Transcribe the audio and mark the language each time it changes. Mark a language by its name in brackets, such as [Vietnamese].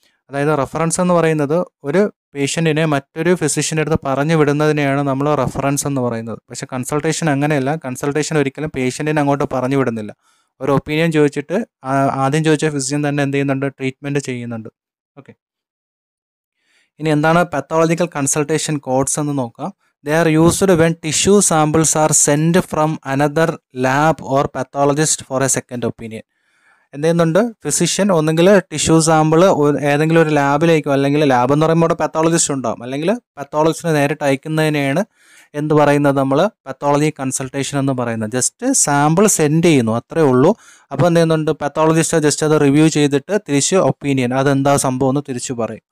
[Malayalam] അതായത് റഫറൻസ് എന്ന് പറയുന്നത് ഒരു പേഷ്യൻറ്റിനെ മറ്റൊരു ഫിസിഷ്യൻ്റെ അടുത്ത് പറഞ്ഞു വിടുന്നതിനെയാണ് നമ്മൾ റഫറൻസ് എന്ന് പറയുന്നത്. പക്ഷേ കൺസൾട്ടേഷൻ അങ്ങനെയല്ല. കൺസൾട്ടേഷൻ ഒരിക്കലും പേഷ്യൻറ്റിനെ അങ്ങോട്ട് പറഞ്ഞു വിടുന്നില്ല, ഒരു ഒപ്പീനിയൻ ചോദിച്ചിട്ട് ആദ്യം ചോദിച്ച ഫിസിഷ്യൻ തന്നെ എന്ത് ചെയ്യുന്നുണ്ട്, ട്രീറ്റ്മെൻറ്റ് ചെയ്യുന്നുണ്ട്. ഓക്കെ, ഇനി എന്താണ് പാത്തോളജിക്കൽ കൺസൾട്ടേഷൻ കോഡ്സ് എന്ന് നോക്കാം. [English] They are used when tissue samples are sent from another lab or pathologist for a second opinion. [Malayalam] എന്തെയ്യുന്നുണ്ട്, physician ഒന്നുകിൽ ടിഷ്യൂ സാമ്പിൾ ഏതെങ്കിലും ഒരു ലാബിലേക്കോ, അല്ലെങ്കിൽ ലാബ് എന്ന് പറയുമ്പോൾ അവിടെ പാത്തോളജിസ്റ്റ് ഉണ്ടാകും, അല്ലെങ്കിൽ പാത്തോളജിസ്റ്റിനെ നേരിട്ട് അയക്കുന്നതിനെയാണ് എന്ത് പറയുന്നത്, നമ്മൾ പാത്തോളജി കൺസൾട്ടേഷൻ എന്ന് പറയുന്നത്. ജസ്റ്റ് സാമ്പിൾ സെൻഡ് ചെയ്യുന്നു, അത്രേ ഉള്ളൂ. അപ്പോൾ എന്ത് ചെയ്യുന്നുണ്ട്, പാത്തോളജിസ്റ്റ് ജസ്റ്റ് അത് റിവ്യൂ ചെയ്തിട്ട് തിരിച്ച് ഒപ്പീനിയൻ, അതെന്താ സംഭവം എന്ന് തിരിച്ച് പറയും.